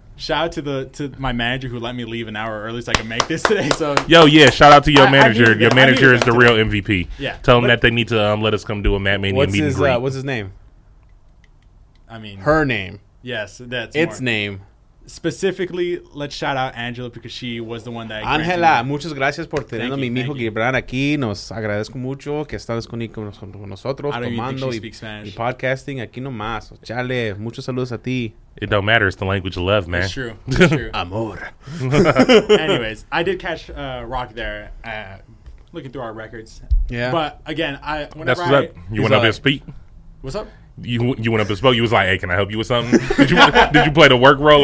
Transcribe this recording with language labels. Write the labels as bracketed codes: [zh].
[en] Shout out to my manager who let me leave an hour early so I can make this today. So yo, yeah, shout out to your manager. Your manager is the real MVP. Yeah. Tell him that they need to let us come do a Matt Mania meet and greet. What's his name? I mean. Her name. Yes, that's its name. Specifically, let's shout out Angela because she was the one that [es] Angela, muchas gracias por tener a mi hijo Gibran aquí. Nos agradezco mucho que están disponibles con nosotros. [en] I don't even think she speaks Spanish. [es] Y podcasting aquí nomás. Chale, muchos saludos a ti. [en] It don't matter. It's the language of love, man. It's true. It's true. [es] Amor. [en] Anyways, I did catch Rock there looking through our records. Yeah. But again, whenever you went up and speak. What's up? You went up and spoke. You was like, hey, can I help you with something? did you play the work role?